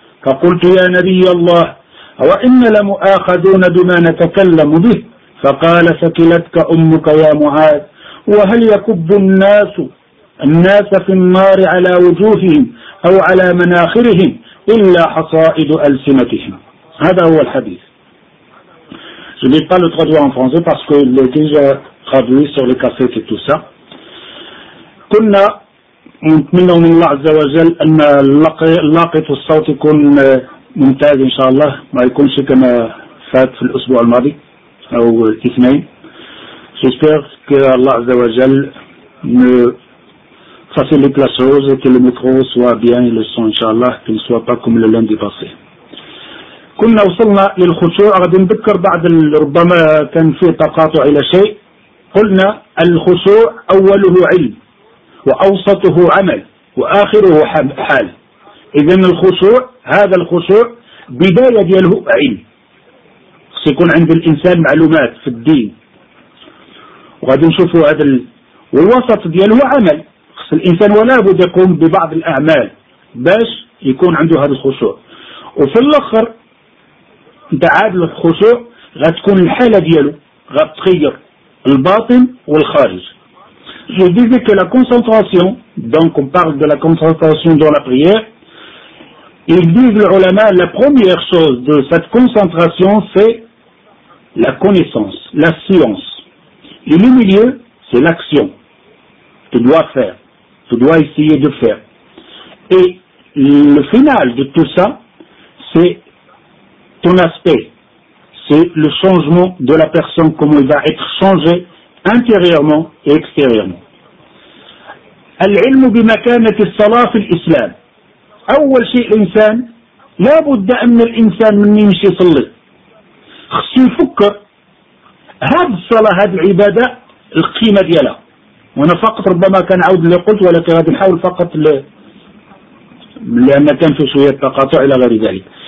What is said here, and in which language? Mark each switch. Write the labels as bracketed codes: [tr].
[ar] فقلت يا نبي الله وإن لمؤاخذون بما نتكلم به؟ فقال ثقلتك أمك يا معاذ، وهل يكب الناس في النار على وجوههم أو على مناخرهم إلا حصائد ألسنتهم؟ هذا هو الحديث. [fr] Je n'ai pas le traduit en français parce qu'il est déjà traduit sur les cassettes et tout ça. [ar] كنا نتمنى من الله عز وجل أن لاقط الصوت يكون ممتاز إن شاء الله، ما يكونش كما فات في الأسبوع الماضي أو الاثنين. [fr] J'espère que Allah عز وجل me facilite la chose et que le micro soit bien et le son إن شاء الله qu'il ne soit pas comme le lundi passé. [ar] كنا وصلنا للخشوع. غادي نذكر بعض ربما كان فيه تقاطع إلى شيء. قلنا الخشوع أوله علم وأوسطه عمل وآخره حال. إذن الخشوع، هذا الخشوع بداية دياله علم، سيكون عند الإنسان معلومات في الدين وغادي نشوفه هذا والوسط دياله عمل، الإنسان ولا بد يقوم ببعض الأعمال باش يكون عنده هذا الخشوع. وفي الأخر دعاد الخشوع غتكون الحالة دياله غتخير الباطن والخارج. [fr] Je disais que la concentration, donc on parle de la concentration dans la prière. Ils disent, les ulama, la première chose de cette concentration, c'est la connaissance, la science. Et le milieu, c'est l'action. Tu dois faire, tu dois essayer de faire. Et le final de tout ça, c'est ton aspect. C'est le changement de la personne, comment il va être changé intérieurement et extérieurement. [ar] العلم بمكانة الصلاة في الإسلام. أول شيء الإنسان لابد أن الإنسان من يمشي يصلي خص يفكر هذه الصلاة، هذه العبادة القيمة ديالها. وأنا فقط ربما كان عود اللي قلت، ولكن غادي نحاول فقط لأن كان في شوية تقاطع إلى غير ذلك.